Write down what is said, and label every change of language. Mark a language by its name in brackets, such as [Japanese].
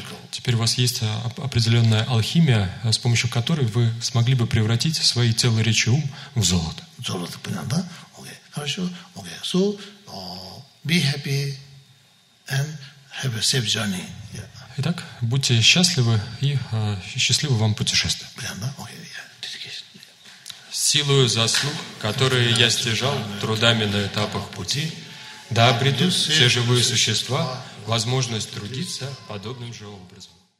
[Russian] Теперь у вас есть определенная алхимия, с помощью которой вы смогли бы превратить свои тело, речи, ум в золото. Золото, понятно, да? Окей, хорошо. [English] Окей, so, be happy and have a safe journey. Yeah. [Russian] Итак, будьте счастливы и счастливо вам путешествие. Понятно, да? Окей, yeah. Силою заслуг, которые я стяжал трудами на этапах пути, Да обретут все живые существа возможность трудиться подобным же образом.